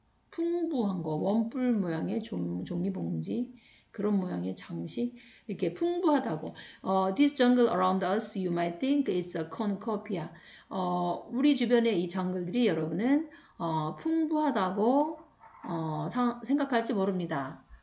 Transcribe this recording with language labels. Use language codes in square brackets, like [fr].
[ko] 풍부한 거, 원뿔 모양의 종이 봉지. 그런 모양의 장식 이렇게 풍부하다고. [en] This jungle around us, you might think it's a cornucopia. [ko] 우리 주변의 이 정글들이 여러분은 풍부하다고 생각할지 모릅니다.